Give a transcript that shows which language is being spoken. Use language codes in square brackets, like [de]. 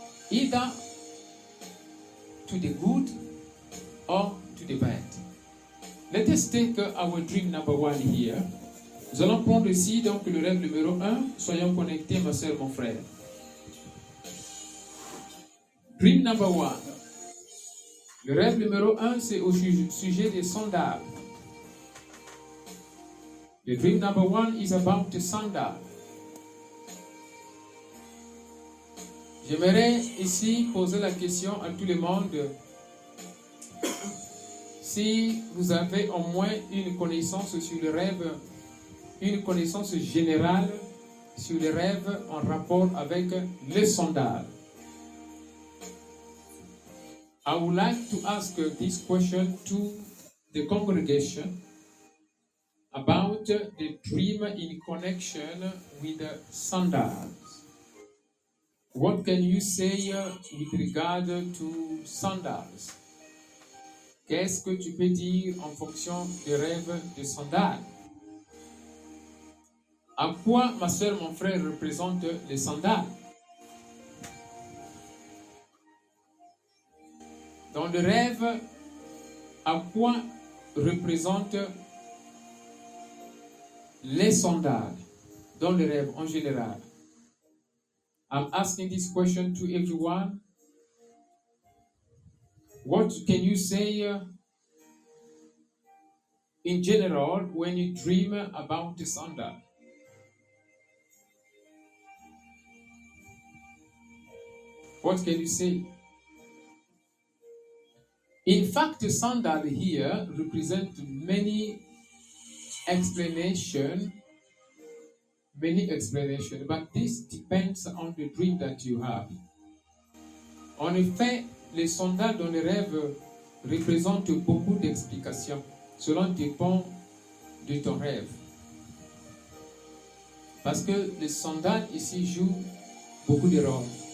[en] Either to the good or to the bad. Let us take our dream number one here. [fr] Nous allons prendre ici donc le rêve numéro 1. Soyons connectés, ma soeur, mon frère. [en] Dream number one. [fr] Le rêve numéro 1, c'est au sujet des sandales. [en] The dream number one is about the sandales. [fr] J'aimerais ici poser la question à tout le monde. Si vous avez au moins une connaissance sur le rêve, une connaissance générale sur le rêve en rapport avec le sandal. I would like to ask this question to the congregation about the dream in connection with sandals. What can you say with regard to sandals? Qu'est-ce que tu peux dire en fonction des rêves de sandales? À quoi, ma soeur, mon frère, représente les sandales? Dans le rêve, à quoi représente les sandales? Dans le rêve, en général. [en] I'm asking this question to everyone. What can you say in general when you dream about the sandal? What can you say? In fact, the sandal here represents many explanation, many explanations, but this depends on the dream that you have. [fr] En effet, les sondages dans les rêves représentent beaucoup d'explications. Cela dépend de ton rêve. Parce que les sondages ici jouent beaucoup de rôles.